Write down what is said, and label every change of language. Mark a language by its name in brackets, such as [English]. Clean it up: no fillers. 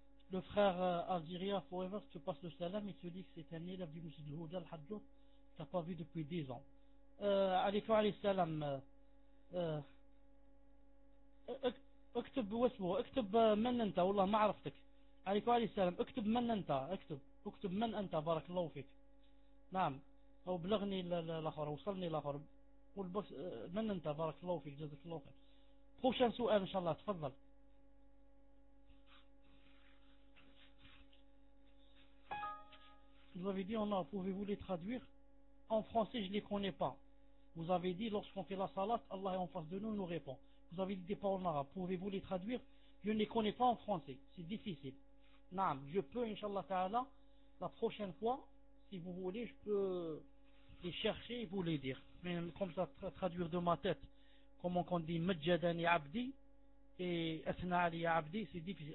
[French] Le frère Algérien Forever se passe le salam et se dit que c'est un élève du Moussid Houda al-Hadjou, qui n'a pas vu depuis 10 ans. [Arabic] Alaykoum alayhi salam. اكتب واسمه اكتب من انت والله ما عرفتك عليك وعلي السلام اكتب من انت اكتب من انت بارك الله فيك نعم او بلغني الاخر وصلني الاخر قول بس من انت بارك الله فيك جزاك الله خير خوشان سؤال ان شاء الله تفضل [French] vous avez dit on a pouvez-vous les traduire en français je les connais pas vous avez dit lorsqu'on fait la salat Allah est en face de nous nous répond. Vous avez dit des paroles en arabe. Pouvez-vous les traduire? Je ne les connais pas en français. C'est difficile. Naam. Je peux, Inch'Allah Ta'ala, la prochaine fois, si vous voulez, je peux les chercher et vous les dire. Mais comme ça, traduire de ma tête, comment on dit, [Arabic] Majjadani Abdi [French] et [Arabic] Asna Ali Abdi, [French] c'est difficile.